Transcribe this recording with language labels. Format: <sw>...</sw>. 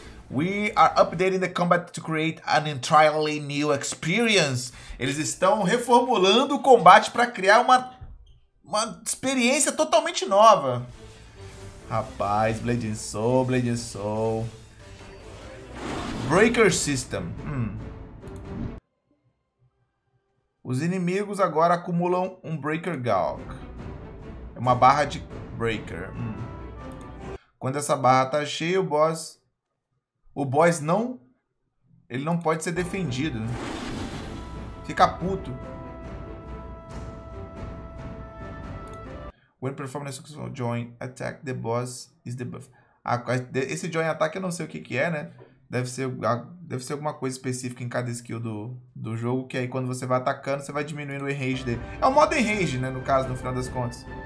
<en>We are updating the combat to create an entirely new experience.</en> <pt>Eles estão reformulando o combate para criar uma experiência totalmente nova. Rapaz, Blade and Soul, Blade and Soul. Breaker System. Os inimigos agora acumulam um Breaker Gauk. É uma barra de Breaker. Quando essa barra tá cheia, o boss não, ele não pode ser defendido. Fica puto.</pt> <en>When performing a successful join attack, the boss is debuffed.</en> <pt>Ah, esse join attack eu não sei o que que é, né? Deve ser alguma coisa específica em cada skill do jogo, que aí quando você vai atacando, você vai diminuindo o enrage dele. É o modo enrage, né, no caso, no final das contas.</pt>